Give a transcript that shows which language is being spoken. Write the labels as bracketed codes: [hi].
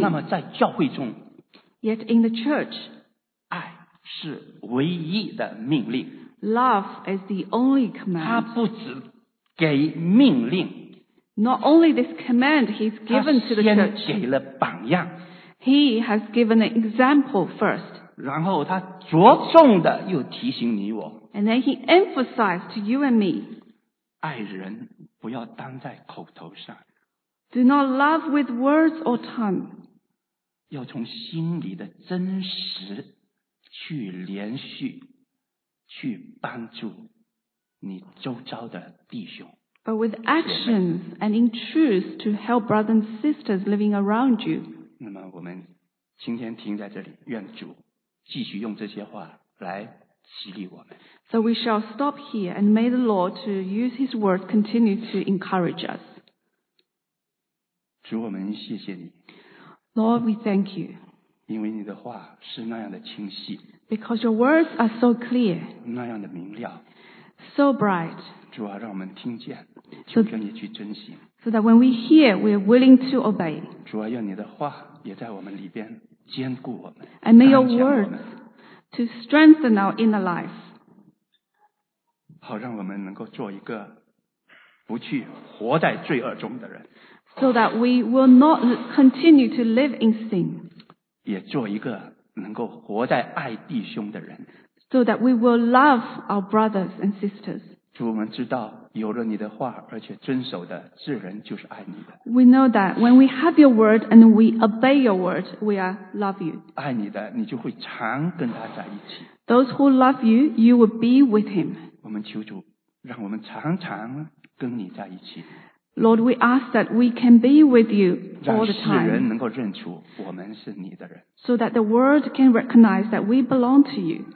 [zh] 那么在教会中, [en] Yet in the church, [zh] 爱是唯一的命令, [en] love is the only command. [zh] 他不只给命令, [en] Not only this command he's given to the church. [zh] 他先给了榜样。 [en] He has given an example first. [zh] 然后他着重的又提醒你我。 [en] And then he emphasized to you and me. [zh] 爱人不要当在口头上。 [en] Do not love with words or tongue. [zh] 要从心里的真实去连续去帮助你周遭的弟兄。 [en] But with actions and in truth to help brothers and sisters living around you. [zh] 那么我们今天停在这里，愿主继续用这些话来激励我们。 [en] So we shall stop here and may the Lord to use His word continue to encourage us. [zh] 主，我们谢谢你。 [en] Lord, we thank you. [zh] 因为你的话是那样的清晰。 [en] Because your words are so clear. [zh] 那样的明亮。 [en] So bright. [zh] 主啊，让我们听见，求求你去遵行。 [en] So that when we hear, we are willing to obey. [zh] 主啊，愿你的话也在我们里边坚固我们。 [en] And may your words to strengthen our inner life. [zh] 好让我们能够做一个不去活在罪恶中的人。 [en] So that we will not continue to live in sin. [zh] 也做一个能够活在爱弟兄的人。 [en] So that we will love our brothers and sisters. [zh] 主我们知道有了你的话而且遵守的自然就是爱你的。 [en] We know that when we have your word and we obey your word, we are love you. [zh] 爱你的你就会常跟他在一起。 [en] Those who love you, you will be with him. [zh] 我们求主让我们常常跟你在一起。 [en] Lord, we ask that we can be with you all the time. [zh] 让世人能够认出我们是你的人。 [en] So that the world can recognize that we belong to you.